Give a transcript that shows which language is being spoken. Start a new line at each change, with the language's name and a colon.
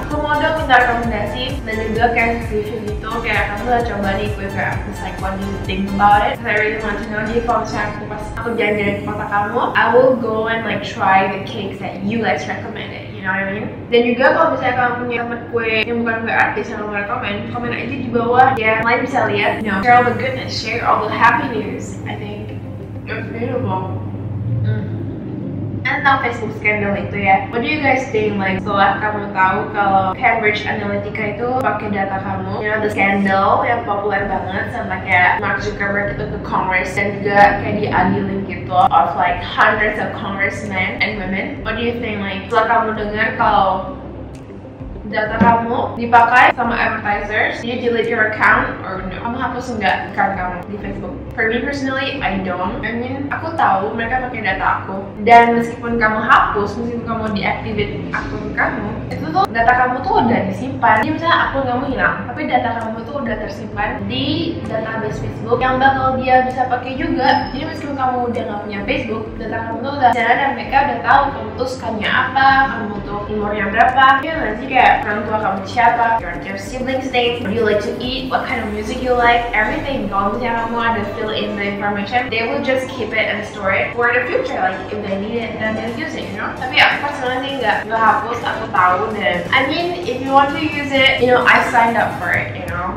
Indonesian: Kamu ada minta rekomendasi dan juga kayak review gitu. Kayak kamu udah coba nih
English: figure artis, like what do you think about it? Cause I really want to know
Indonesian: di komentar aku pas aku jalan-jalan di kota kamu.
English: I will go and like try the cakes that you guys recommended. You know what I mean?
Indonesian: Dan juga kalau misalnya kamu punya temen kue yang bukan kue artis yang kamu rekomen, komen aja di bawah. Ya, yeah, lain bisa lihat.
English: You know, share all the goodness, share all the happy news. I think it's beautiful.
Indonesian: Tentang Facebook scandal itu ya.
English: What do you guys think?
Indonesian: Like, setelah kamu tahu kalau Cambridge Analytica itu pakai data kamu, you know, the scandal yang populer banget sama kayak Mark Zuckerberg itu ke Congress dan juga kayak diadilin gitu
English: of like hundreds of congressmen and women. What do you think?
Indonesian: Like, setelah kamu dengar kalau data kamu dipakai sama advertisers,
English: you delete your account or no?
Indonesian: Kamu hapus nggak account kamu di Facebook?
English: For me personally, I don't. I mean,
Indonesian: aku tahu mereka pakai data aku. Dan meskipun kamu hapus, meskipun kamu deactivate akun kamu, itu tuh data kamu tuh udah disimpan. Jadi misalnya akun kamu hilang, tapi data kamu tuh udah tersimpan di database Facebook yang bakal dia bisa pakai juga. Jadi meskipun kamu udah nggak punya Facebook, data kamu tuh udah jalan dan mereka udah tahu kamu tuh sukanya apa, kamu tuh umurnya berapa. Ya nanti kayak orang tua kamu siapa,
English: your siblings name, what do you like to eat, what kind of music you like, everything.
Indonesian: Kalau misalnya kamu ada
English: fill in the information, they will just keep it and store it for the future, like if they need it, then they'll use it, you know?
Indonesian: Tapi ya, personally sih nggak hapus, aku tahu dan
English: I mean, if you want to use it, you know, I signed up for it, you know?